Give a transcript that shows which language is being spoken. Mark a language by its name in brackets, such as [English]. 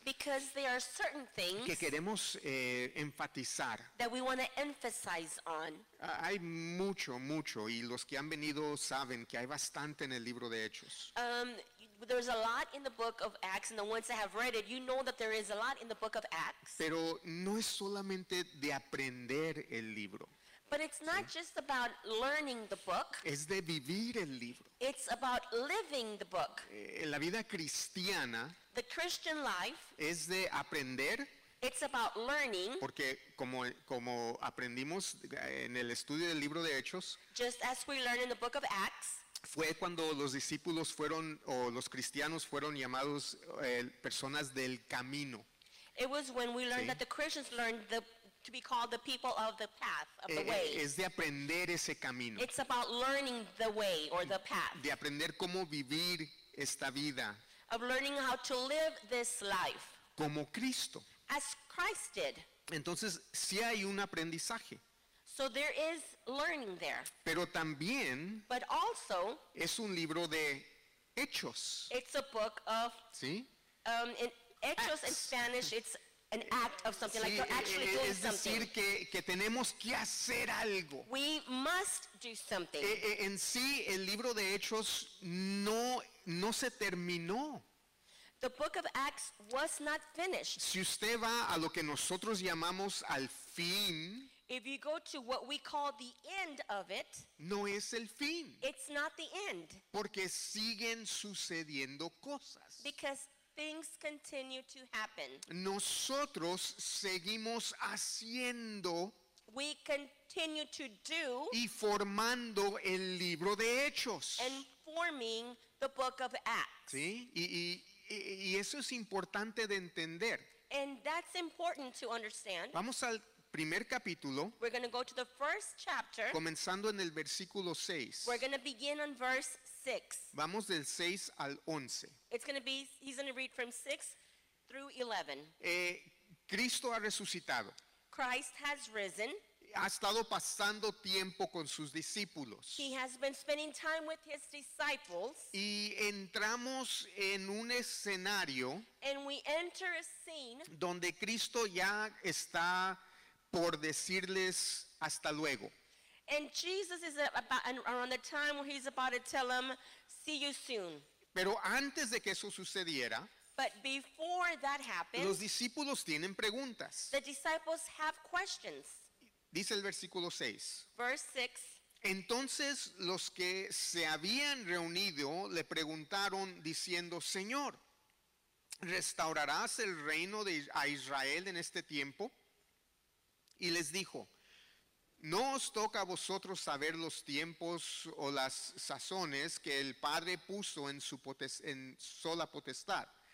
[English] Because there are certain things. [Spanish] Que queremos enfatizar. [English] That we want to emphasize on. [Spanish] Hay mucho. Y los que han venido saben que hay bastante en el libro de Hechos. [English] There's a lot in the book of Acts, and the ones that have read it, you know that there is a lot in the book of Acts. [Spanish] Pero no es solamente de aprender el libro. [English] But it's not just about learning the book. [Spanish] Es de vivir el libro. [English] It's about living the book. [Spanish] La vida cristiana. [English] The Christian life. [Spanish] Es de aprender. [English] It's about learning. [Spanish] Porque como aprendimos en el estudio del libro de Hechos. [English] Just as we learn in the book of Acts. [Spanish] Fue cuando los discípulos fueron, o los cristianos fueron llamados personas del camino. [English] It was when we learned, ¿sí?, that the Christians learned to be called the people of the path, of the way. [Spanish] Es de aprender ese camino. [English] It's about learning the way or the path. [Spanish] De aprender cómo vivir esta vida. [English] Of learning how to live this life. [Spanish] Como Cristo. [English] As Christ did. [Spanish] Entonces, sí hay un aprendizaje. [English] So there is learning there. [Spanish] Pero también, [English] but also, [Spanish] es un libro de hechos. [English] It's a book of, [Spanish] ¿sí?, hechos. [English] Acts. In Spanish, it's an act of something, [Spanish] sí, [English] like you're actually doing something. [Spanish] Es decir, que tenemos que hacer algo. [English] We must do something. [Spanish] En sí, el libro de hechos no se terminó. [English] The book of Acts was not finished. [Spanish] Si usted va a lo que nosotros llamamos al fin, [English] if you go to what we call the end of it, [Spanish] no es el fin. [English] It's not the end. [Spanish] Porque siguen sucediendo cosas. [English] Because things continue to happen. [Spanish] Nosotros seguimos haciendo, [English] we continue to do, [Spanish] y formando el libro de Hechos. [English] And forming the book of Acts. [Spanish] ¿Sí? Y eso es importante de entender. [English] And that's important to understand. [Spanish] Vamos al primer capítulo. [English] We're going to go to the first chapter. [Spanish] Comenzando en el versículo 6. [English] We're going to begin on verse 6. [Spanish] Vamos del 6 al 11. [English] It's going to be, he's going to read from 6 through 11. [Spanish] Cristo ha resucitado. [English] Christ has risen. [Spanish] Ha estado pasando tiempo con sus discípulos. [English] He has been spending time with his disciples. [Spanish] Y entramos en un escenario. [English] And we enter a scene. [Spanish] Donde Cristo ya está por decirles hasta luego. [English] And Jesus is about, around the time where he's about to tell them, see you soon. [Spanish] Pero antes de que eso sucediera, [English] but before that happens, [Spanish] los discípulos tienen preguntas. [English] The disciples have questions. [Spanish] Dice el versículo 6. [English] Verse 6. [Spanish] Entonces los que se habían reunido le preguntaron diciendo, Señor, ¿restaurarás el reino a Israel en este tiempo? Y les dijo, no os toca a vosotros saber los tiempos o las sazones que el Padre puso en su sola potestad.